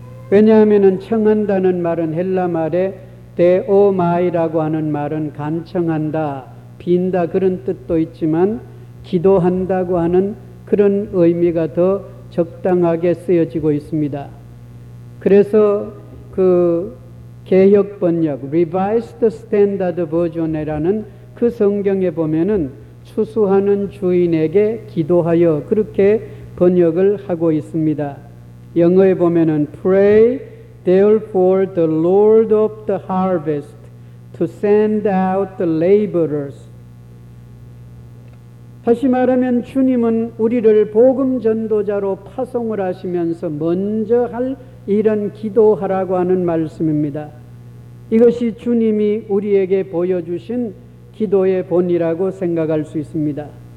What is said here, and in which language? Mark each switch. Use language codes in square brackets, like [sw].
[ko] 왜냐하면 청한다는 말은 헬라 말에 데오마이라고 하는 말은 간청한다, 빈다 그런 뜻도 있지만 기도한다고 하는 그런 의미가 더 적당하게 쓰여지고 있습니다. 그래서 그 개혁 번역 Revised Standard Version이라는 그 성경에 보면은 추수하는 주인에게 기도하여 그렇게 번역을 하고 있습니다. [en] 영어에 보면은 Pray therefore the Lord of the harvest to send out the laborers. [ko] 다시 말하면 주님은 우리를 복음 전도자로 파송을 하시면서 먼저 할 일은 기도하라고 하는 말씀입니다. 이것이 주님이 우리에게 보여주신 기도의 본이라고 생각할 수 있습니다.